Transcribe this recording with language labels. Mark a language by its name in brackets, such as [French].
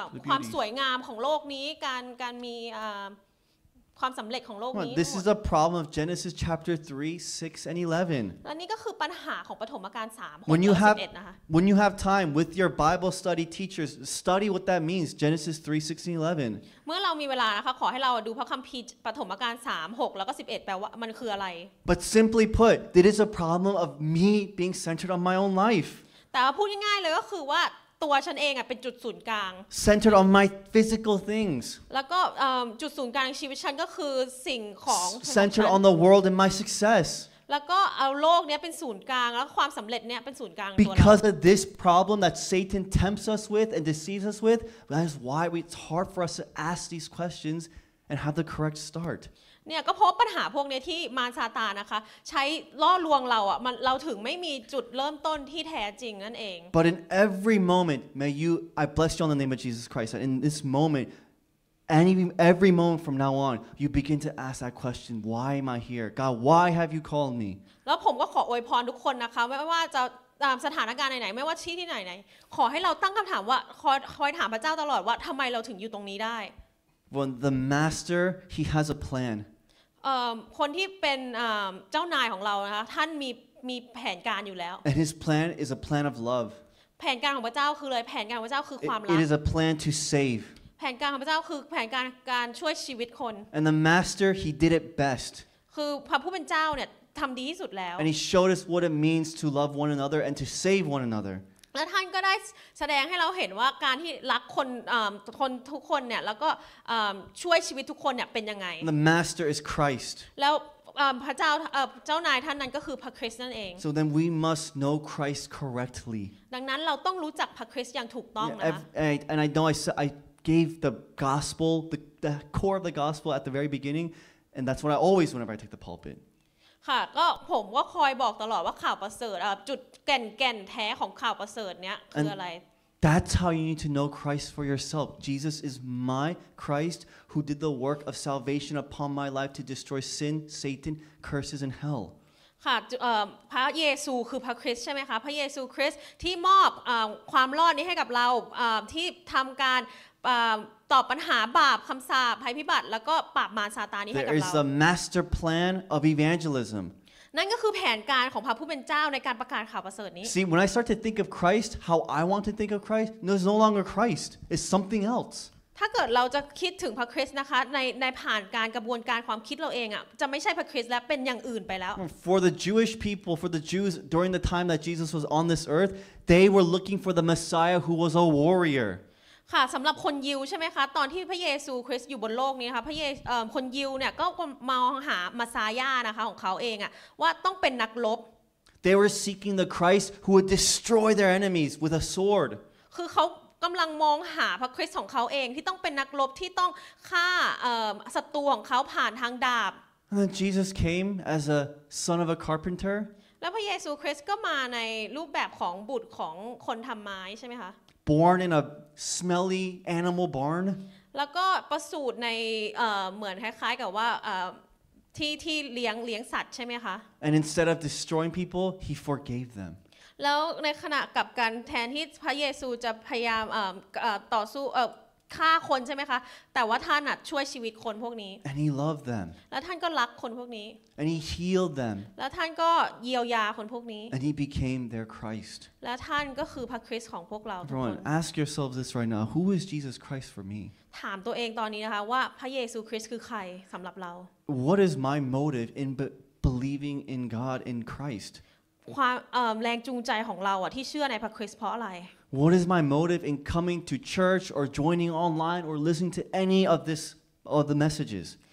[Thai] ความสวยงามของโลกนี้การมีความสำเร็จของโลกนี้ [English] This is a problem of Genesis chapter 3 6 and 11 [Thai] และนี่ก็คือปัญหาของปฐมกาล3 [English] 6 and 11 นะคะ When you have time with your Bible study teachers study what that means Genesis 3 6 and 11 [Thai] เมื่อเรามีเวลานะคะขอให้เราดูพระคัมภีร์ปฐมกาล3 6แล้วก็11แปลว่ามันคืออะไร [English] But simply put it is a problem of me being centered on my own life [Thai] แต่พูดง่ายๆเลยก็คือว่าัวฉันเองอ่ะเป็นจุดศูนย์กลาง [English] centered on my physical things [Thai] แล้วก็จุดศูนย์กลางชีวิตฉันก็คือสิ่งของ [English] centered on the world and my success [Thai] แล้วก็เอาโลกเนี้ยเป็นศูนย์กลางแล้วความสำเร็จเนี้ยเป็นศูนย์กลางตัวเรา [English] Because of this problem that Satan tempts us with and deceives us with that is why it's hard for us to ask these questions and have the correct start [Thai] เนี่ยก็เพราะปัญหาพวกนี้ที่มารซาตานนะคะใช้ล่อลวงเราอ่ะมันเราถึงไม่มีจุดเริ่มต้นที่แท้จริงนั่นเอง [English] But in every moment may you I bless you in the name of Jesus Christ and in this momentAnd every moment from now on, you begin to ask that question: Why am I here, God? Why have you called me? [Thai] แล้วผมก็ขออวยพรทุกคนนะคะไม่ว่าจะตามสถานการณ์ไหนๆไม่ว่าที่ที่ไหนๆขอให้เราตั้งคำถามว่าคอยถามพระเจ้าตลอดว่าทำไมเราถึงอยู่ตรงนี้ได้ [English] When the master, he has a plan. [Thai] คนที่เป็นเจ้านายของเรานะคะท่านมีแผนการอยู่แล้ว [English] And his plan is a plan of love. [Thai] แผนการของพระเจ้าคือเลยแผนการของพระเจ้าคือความรัก [English] It is a plan to save. [Thai] แผนการของพระเจ้าคือแผนการช่วยชีวิตคน [English] And the master he did it best [Thai] คือพระผู้เป็นเจ้าเนี่ยทําดีที่สุดแล้ว [English] And he showed us what it means to love one another and to save one another [Thai] และท่านก็ได้แสดงให้เราเห็นว่าการที่รักคนทุกคนเนี่ยแล้วก็ช่วยชีวิตทุกคนเนี่ยเป็นยังไง [English] The master is Christ [Thai] แล้วพระเจ้าเจ้านายท่านนั้นก็คือพระคริสต์นั่นเอง [English] So then we must know Christ correctly [Thai] ดังนั้นเราต้องรู้จักพระคริสต์อย่างถูกต้องนะ [English] And I know I gave the gospel the core of the gospel at the very beginning and that's what I always whenever I take the pulpit [Thai] ค่ะก็ผมก็คอยบอกตลอดว่าข่าวประเสริฐจุดแก่นแท้ของข่าวประเสริฐเนี้ยคืออะไร [English] That's how you need to know Christ for yourself Jesus is my Christ who did the work of salvation upon my life to destroy sin Satan curses and hell [Thai] ค่ะพระเยซูคือพระคริสต์ใช่ไหมคะพระเยซูคริสต์ที่มอบความรอดนี้ให้กับเราที่ทำการตอบปัญหาบาปคำสาปภัยพิบัติแล้วก็ปราบมารซาตานนี้ให้กับเรา [English] There is a master plan of evangelism [Thai] นั่นก็คือแผนการของพระผู้เป็นเจ้าในการประกาศข่าวประเสริฐนี้ [English] See when I start to think of Christ how I want to think of Christ there's no longer Christ it's something else [Thai] ถ้าเกิดเราจะคิดถึงพระคริสต์นะคะในผ่านการกระบวนการความคิดเราเองอ่ะจะไม่ใช่พระคริสต์แล้วเป็นอย่างอื่นไปแล้ว [English] For the Jewish people for the Jews during the time that Jesus was on this earth they were looking for the Messiah who was a warrior [Thai] ค่ะสำหรับคนยิวใช่ไหมคะตอนที่พระเยซูคริสต์อยู่บนโลกนี้นะคะพระเยซูคนยิวเนี่ยก็มองหามัสซายานะคะของเขาเองอะว่าต้องเป็นนักรบ [English] They were seeking the Christ who would destroy their enemies with a sword [Thai] คือเขากำลังมองหาพระคริสต์ของเขาเองที่ต้องเป็นนักรบที่ต้องฆ่าศัตรูของเขาผ่านทางดาบ [English] And then Jesus came as a son of a carpenter [Thai] แล้วพระเยซูคริสต์ก็มาในรูปแบบของบุตรของคนทำไม้ใช่ไหมคะ [English] Born in a smelly animal barn. [Thai] แล้วก็ประสูติในเหมือนคล้ายๆกับว่าที่เลี้ยงสัตว์ใช่ไหมคะ [English] And instead of destroying people, he forgave them. [Thai] แล้วในขณะกับการแทนที่พระเยซูจะพยายามต่อสู้ฆ่าคนใช่ไหมคะแต่ว่าท่านช่วยชีวิตคนพวกนี้ [English] And he loved them. [Thai] แล้วท่านก็รักคนพวกนี้ [English] And he healed them. [Thai] แล้วท่านก็เยียวยาคนพวกนี้ [English] And he became their Christ. [Thai] และท่านก็คือพระคริสต์ของพวกเราทุกคน [English] Ask yourselves this right now. Who is Jesus Christ for me? [Thai] ถามตัวเองตอนนี้นะคะว่าพระเยซูคริสต์คือใครสำหรับเรา [English] What is my motive in believing in God in Christ? [Thai] ความแรงจูงใจของเราอะที่เชื่อในพระคริสต์เพราะอะไร [English] What is my motive in coming to church or joining online or listening to any of this of the messages?